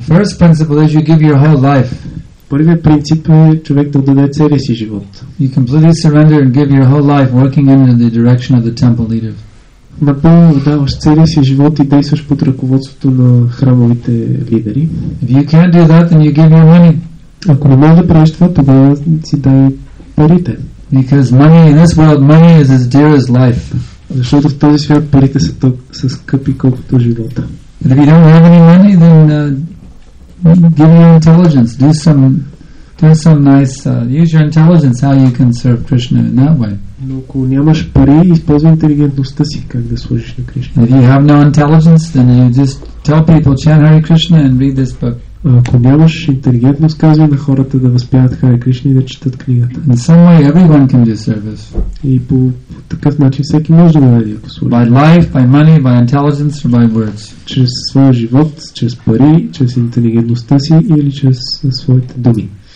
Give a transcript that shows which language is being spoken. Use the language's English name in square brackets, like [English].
[English] The first principle is you give your whole life. [Bulgarian] Първият принцип е човек да отдаде целия си живот. [English] You completely surrender and give your whole life working in the direction of the temple leader. [Bulgarian] Напълно отдаваш целия си живот и действаш под ръководството на храмовите лидери. [English] If you can't do that, then you give your money. [Bulgarian] Ако не можеш да правиш това, тогава си дай парите. [English] Because money in this world, money is as dear as life. [Bulgarian] Защото в този свят парите са толкова скъпи, колкото живота. [English] But if you don't have any money, then give your intelligence. Do some nice, use your intelligence how you can serve Krishna in that way. [Bulgarian] Но ако нямаш пари, използвай интелигентността си как да служиш на Кришна. [English] If you have no intelligence, then you just tell people chant Hare Krishna and read this book. [Bulgarian] Ако нямаш интелигентност, казвай на хората да възпяват Хари Кришна и да четат книгата. [English] In some way everyone can do service. [Bulgarian] И по такъв начин всеки може да даде ако служи. [English] By life, by money, by intelligence or by words. [Bulgarian] Чрез своя живот, чрез пари, чрез интелигентността си или чрез своите думи.